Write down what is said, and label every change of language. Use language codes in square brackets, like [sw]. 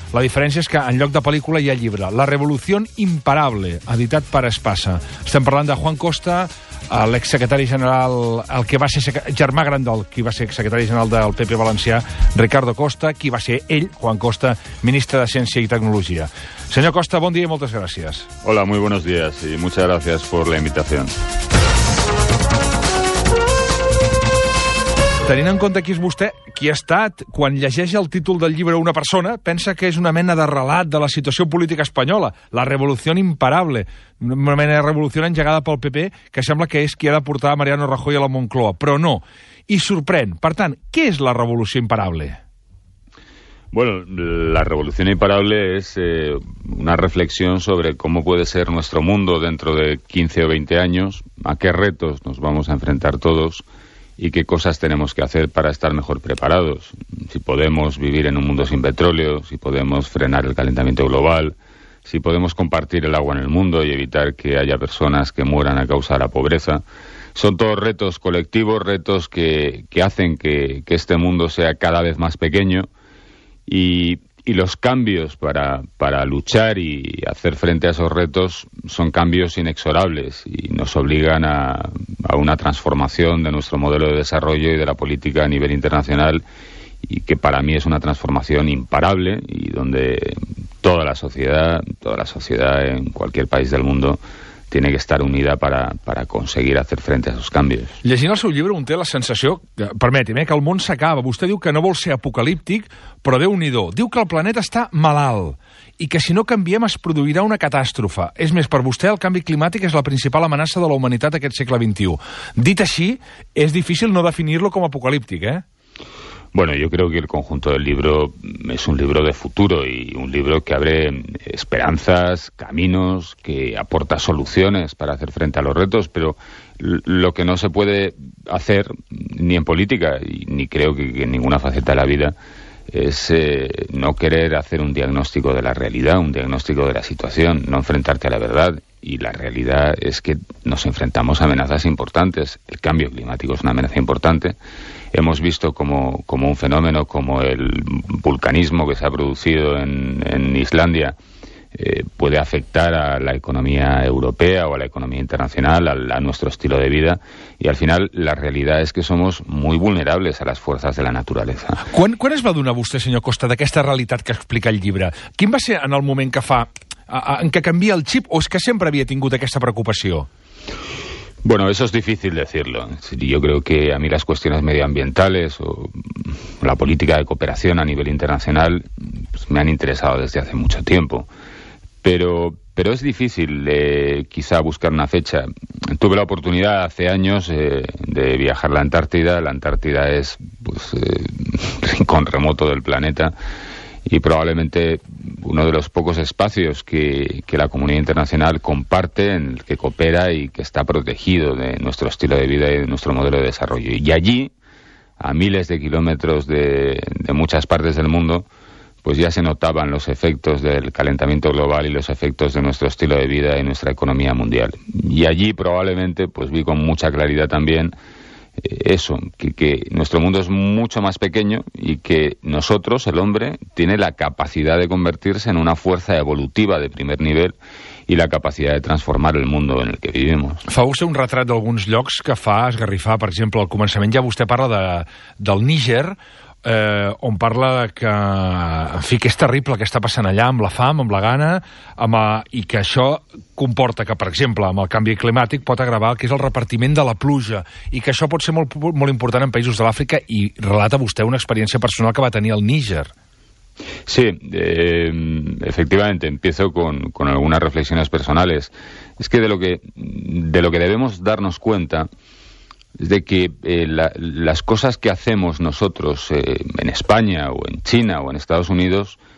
[ca] La diferència és que en lloc de pel·lícula hi ha llibre. La Revolución Imparable, editat per Espasa. Estem parlant de Juan Costa, l'exsecretari general, el que va ser germà gran del qui va ser secretari general del PP valencià, Ricardo Costa, qui va ser ell, Juan Costa, ministre de Ciència i Tecnologia. Senyor Costa, bon dia i moltes gràcies. [es] Hola, muy buenos días y muchas gracias por la invitación. [ca] Tenint en compte qui és vostè, qui ha estat, quan llegeix el títol del llibre una persona, pensa que és una mena de relat de la situació política espanyola, la revolució imparable, una mena de revolució engegada pel PP, que sembla que és qui ha de portar Mariano Rajoy a la Moncloa, però no. I sorprèn. Per tant, què és la revolució imparable? [es] Bueno, la revolución imparable es una reflexión sobre cómo puede ser nuestro mundo dentro de 15 o 20 años, a qué retos nos vamos a enfrentar todos, y qué cosas tenemos que hacer para estar mejor preparados. Si podemos vivir en un mundo sin petróleo, si podemos frenar el calentamiento global, si podemos compartir el agua en el mundo y evitar que haya personas que mueran a causa de la pobreza. Son todos retos colectivos, retos que hacen que este mundo sea cada vez más pequeño, y los cambios para luchar y hacer frente a esos retos son cambios inexorables y nos obligan a una transformación de nuestro modelo de desarrollo y de la política a nivel internacional, y que para mí es una transformación imparable y donde toda la sociedad en cualquier país del mundo tiene que estar unida para conseguir hacer frente a esos cambios. [ca] Llegint el seu llibre, un té la sensació, permeti'm, que el món s'acaba. Vostè diu que no vol ser apocalíptic, però déu-n'hi-do. Diu que el planeta està malalt i que si no canviem es produirà una catàstrofe. És més, per vostè el canvi climàtic és la principal amenaça de la humanitat aquest segle XXI. Dit així, és difícil no definir-lo com apocalíptic, eh? [es] Bueno, yo creo que el conjunto del libro es un libro de futuro y un libro que abre esperanzas, caminos, que aporta soluciones para hacer frente a los retos, pero lo que no se puede hacer, ni en política, ni creo que en ninguna faceta de la vida, es no querer hacer un diagnóstico de la realidad, un diagnóstico de la situación, no enfrentarte a la verdad. Y la realidad es que nos enfrentamos a amenazas importantes. El cambio climático es una amenaza importante. Hemos visto como un fenómeno como el vulcanismo que se ha producido en Islandia puede afectar a la economía europea o a la economía internacional, a nuestro estilo de vida. Y al final la realidad es que somos muy vulnerables a las fuerzas de la naturaleza. [ca] ¿Quan es va donar vostè, senyor Costa, d'aquesta realitat que explica el llibre? ¿Quin va ser en el moment que fa en què canvia el xip, o és que sempre havia tingut aquesta preocupació? [es] Bueno, eso es difícil decirlo. Yo creo que a mí las cuestiones medioambientales o la política de cooperación a nivel internacional pues me han interesado desde hace mucho tiempo. Pero es difícil quizá buscar una fecha. Tuve la oportunidad hace años de viajar a la Antártida. La Antártida es pues rincón remoto del planeta y probablemente uno de los pocos espacios que la comunidad internacional comparte, en el que coopera y que está protegido de nuestro estilo de vida y de nuestro modelo de desarrollo. Y allí, a miles de kilómetros de muchas partes del mundo, pues ya se notaban los efectos del calentamiento global y los efectos de nuestro estilo de vida y nuestra economía mundial. Y allí probablemente pues vi con mucha claridad también eso, que nuestro mundo es mucho más pequeño y que nosotros, el hombre, tiene la capacidad de convertirse en una fuerza evolutiva de primer nivel y la capacidad de transformar el mundo en el que vivimos. [ca] Fa vostè un retrat d'alguns llocs que fa esgarrifar. Per exemple, al començament ja vostè parla del Níger, on parla que, en fi, que és terrible el que està passant allà amb la fam, amb la gana, i que això comporta que, per exemple, amb el canvi climàtic pot agravar el que és el repartiment de la pluja, i que això pot ser molt, molt important en països de l'Àfrica, i relata vostè una experiència personal que va tenir el Níger. [es] Sí, efectivamente, empiezo con algunas reflexiones personales. Es que de lo que debemos darnos cuenta es de que las cosas que hacemos nosotros en España o en China o en Estados Unidos